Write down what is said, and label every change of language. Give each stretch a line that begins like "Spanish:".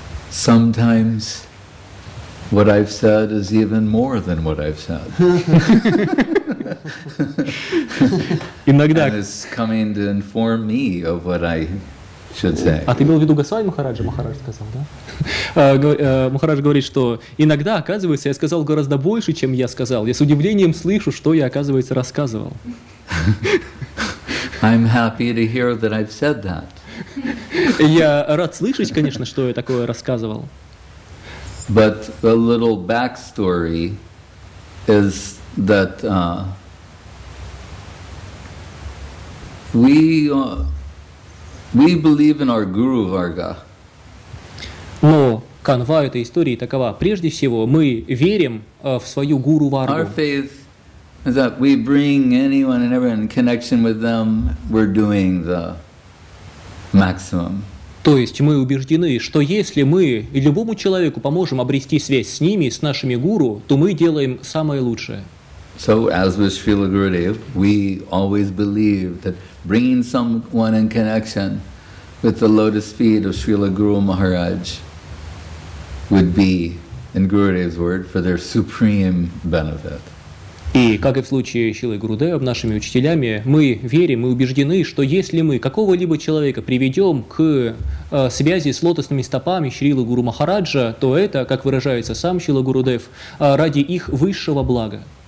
English: Sometimes what I've said is even more than what I've said.
Russian: Иногда.
English: And it's coming to inform me of what I should say.
Russian: А ты имел в виду Госвами Махараджа? Махарадж сказал, да? Махарадж говорит, что иногда, оказывается, я сказал гораздо больше, чем я сказал. Я с удивлением слышу, что я, оказывается, рассказывал.
English: I'm happy to hear that I've said that.
Russian: Я рад слышать, конечно, что я такое рассказывал.
English: But a little backstory is that we believe in our Guru Varga.
Russian: Но канва этой истории такова. Прежде всего, мы верим в свою Гуру Варгу.
English: Our faith is that we bring anyone and everyone in connection with them, we're doing the maximum.
Russian: То есть мы убеждены, что если мы любому человеку поможем обрести связь с ними, с нашими гуру, то мы делаем самое лучшее.
English: So as with Srila Gurudev, we always believe that bringing someone in connection with the lotus feet of Srila Guru Maharaj would be, in Gurudev's word, for their supreme benefit.
Russian: И, как и в случае Шилы Гурудева, нашими учителями, мы верим и убеждены, что если мы какого-либо человека приведем к связи с лотосными стопами Шрилы Гуру Махараджа, то это, как выражается сам Шила Гурудев, ради их высшего блага.